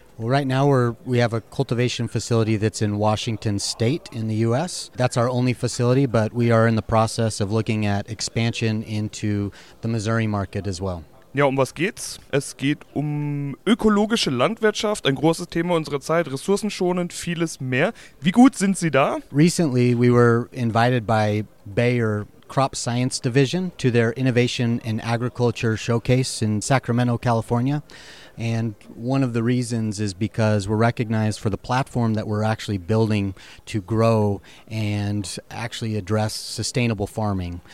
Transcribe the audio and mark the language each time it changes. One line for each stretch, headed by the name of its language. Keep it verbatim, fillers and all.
English: Well, right now we're, we have a cultivation facility that's in Washington State in the U S. That's our only facility, but we are in the process of looking at expansion into the Missouri market as well.
German: Ja, um was geht's? Es geht um ökologische Landwirtschaft, ein großes Thema unserer Zeit, ressourcenschonend, vieles mehr. Wie gut sind Sie da?
English: Recently we were invited by Bayer Crop Science Division to their Innovation in Agriculture Showcase in Sacramento, California. And one of the reasons is because we're recognized for the platform that we're actually building to grow and actually address sustainable farming.